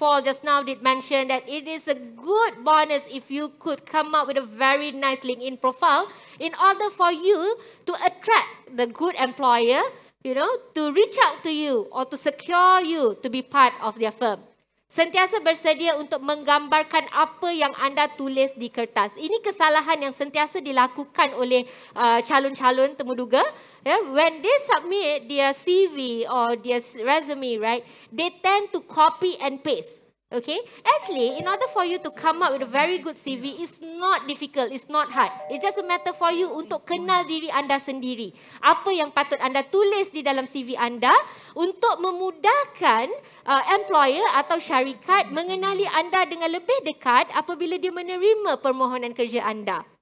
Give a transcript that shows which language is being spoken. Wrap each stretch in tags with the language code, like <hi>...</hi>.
<en>Paul just now did mention that it is a good bonus if you could come up with a very nice LinkedIn profile in order for you to attract the good employer, you know, to reach out to you or to secure you to be part of their firm.</en> <ms>Sentiasa bersedia untuk menggambarkan apa yang anda tulis di kertas. Ini kesalahan yang sentiasa dilakukan oleh calon-calon temuduga.</ms> <en>Yeah, when they submit their CV or their resume, right, they tend to copy and paste. Okay, actually, in order for you to come up with a very good CV, it's not difficult, it's not hard. It's just a matter for you</en> <ms>untuk kenal diri anda sendiri. Apa yang patut anda tulis di dalam CV anda untuk memudahkan employer atau syarikat mengenali anda dengan lebih dekat apabila dia menerima permohonan kerja anda.</ms>